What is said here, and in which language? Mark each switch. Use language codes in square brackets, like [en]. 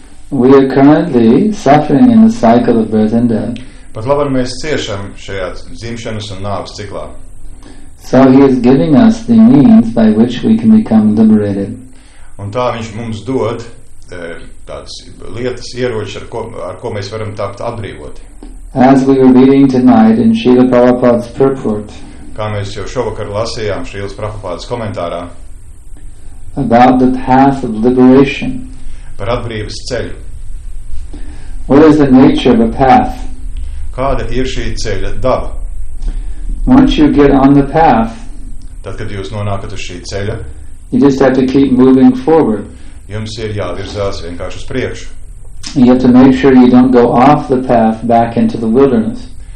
[en] We are currently suffering in the cycle of birth and death. [lv] Pat labam mēs ciešam šajā dzimšanas un nāves ciklā. [en] So he is giving us the means by which we can become liberated. [lv] Un tā viņš mums dod tādas lietas, ieroķis, ar ko mēs varam tapt atbrīvoti. [en] As we were reading tonight in Srila Prabhupāda's purport. [lv] Kā mēs jau šovakar lasījām Srila Prabhupāda's komentārā. [en] About the path of liberation. [lv] Par atbrīvas ceļu. [en] What is the nature of a path? [lv] Kāda ir šī ceļa daba? [en] Once you get on the path, [lv] tad, kad jūs nonākat uz šī ceļa, [en] you just have to keep moving forward. [lv] Jums ir jāvirzās vienkārši uz priekšu. [en] You have to make sure you don't go off the path back into the wilderness.